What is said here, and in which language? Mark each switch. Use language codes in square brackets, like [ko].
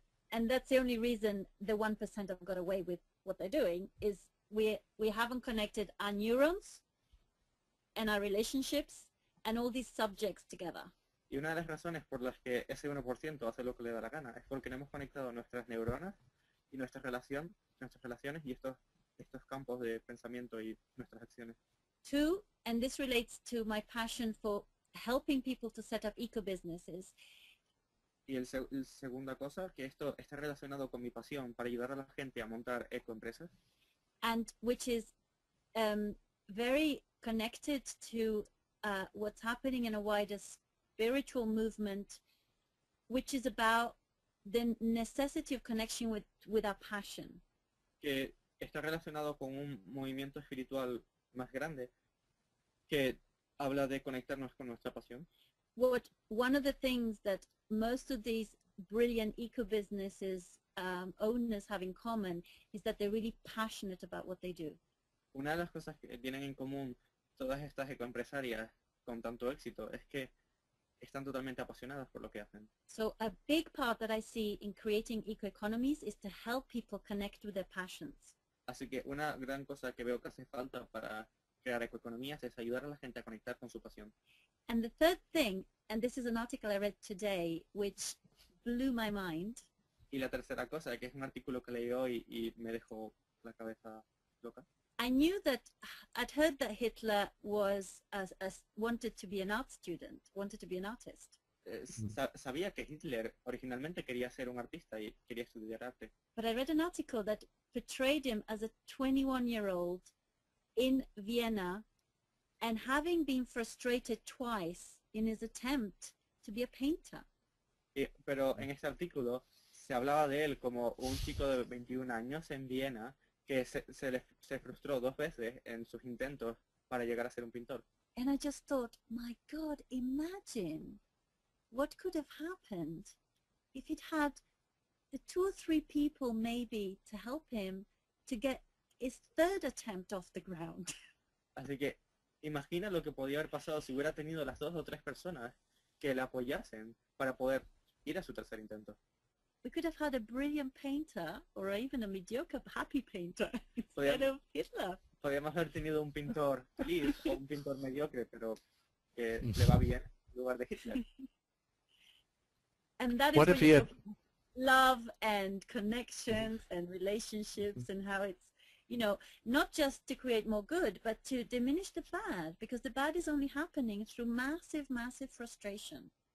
[en] And that's the only reason the 1% have got away with what they're doing is we haven't connected our neurons and our relationships and all these subjects together. [es] Y una de las razones por las que ese 1% hace lo que le da la gana es porque no hemos conectado nuestras neuronas y nuestra relación, nuestras relaciones y estos campos de pensamiento y nuestras acciones. [en] Two, and this relates to my passion for helping people to set up eco-businesses. [es] Y el segunda cosa, que esto está relacionado con mi pasión para ayudar a la gente a montar ecoempresas. [en] And which is very connected to what's happening in a wider spiritual movement, which is about the necessity of connection with our passion. [es] Que está relacionado con un movimiento espiritual más grande que habla de conectarnos con nuestra pasión. [en] What one of the things that most of these brilliant eco-businesses owners have in common is that they're really passionate about what they do. [es] Una de las cosas que tienen en común todas estas ecoempresarias con tanto éxito es que están totalmente apasionadas por lo que hacen. [en] So a big part that I see in creating eco-economies is to help people connect with their passions. [es] Así que una gran cosa que veo que hace falta para crear ecoeconomías es ayudar a la gente a conectar con su pasión. [en] And the third thing, and this is an article I read today which blew my mind. [es] Y la tercera cosa, que es un artículo que leí hoy y me dejó la cabeza loca. [en] I knew that, I'd heard that Hitler was wanted to be an art student, wanted to be an artist. [es] Sabía que Hitler originalmente quería ser un artista y quería estudiar arte. [en] But I read an article that portrayed him as a 21-year-old in Vienna and having been frustrated twice in his attempt to be a painter. [es] Pero en este artículo se hablaba de él como un chico de 21 años en Viena que se frustró dos veces en sus intentos para llegar a ser un pintor. [en] And I just thought, my God, imagine what could have happened if he'd had the two or three people maybe to help him to get his third attempt off the ground. [es] Así que imagina lo que podía haber pasado si hubiera tenido las dos o tres personas que le apoyasen para poder ir a su tercer intento. [en] We could have had a brilliant painter or even a mediocre happy painter instead of Hitler. [es] Podríamos haber tenido un pintor feliz o un pintor mediocre, pero que le va bien en lugar de Hitler. [en] And that what is if he had... love and connections and relationships and how it's, you know, not just to create more good, but to diminish the bad, because the bad is only happening through massive, massive frustration.